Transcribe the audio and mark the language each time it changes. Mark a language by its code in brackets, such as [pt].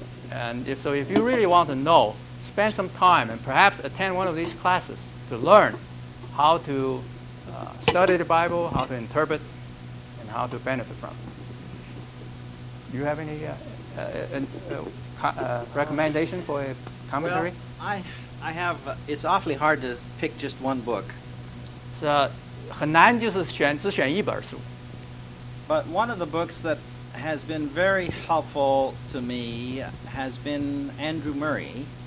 [en] And if you really want to know, spend some time and perhaps attend one of these classes to learn how to study the Bible, how to interpret, and how to benefit from it. Do you have any recommendation for a commentary? Well, I have. It's awfully hard to pick just one book. [zh] 很难就是选只选一本书。 [en] But one of the books that has been very helpful to me has been Andrew Murray.